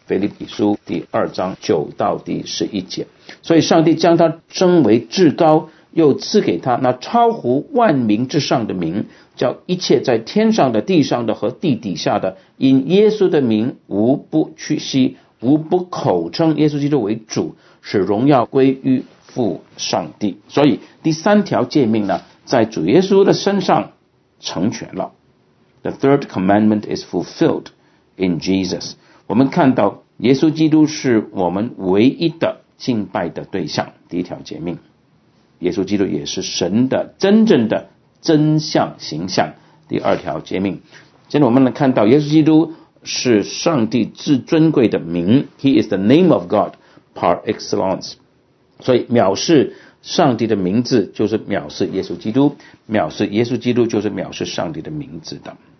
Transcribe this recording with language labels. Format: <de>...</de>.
<zh>腓立比书第2章9到第11节，所以上帝将他升为至高，又赐给他那超乎万民之上的名，叫一切在天上的地上的和地底下的因耶稣的名无不屈膝，不口称耶稣基督为主，使荣耀归于父上帝。所以第三条诫命呢，在主耶稣的身上成全了。</zh> <en>The third commandment is fulfilled in Jesus.</en> <zh>我们看到耶稣基督是我们唯一的敬拜的对象，第一条诫命。耶稣基督也是神的真正的真相形象，第二条诫命。现在我们来看到耶稣基督是上帝至尊贵的名，</zh> <en>He is the name of God par excellence，</en> <zh>所以藐视上帝的名字就是藐视耶稣基督，藐视耶稣基督就是藐视上帝的名字的。</zh>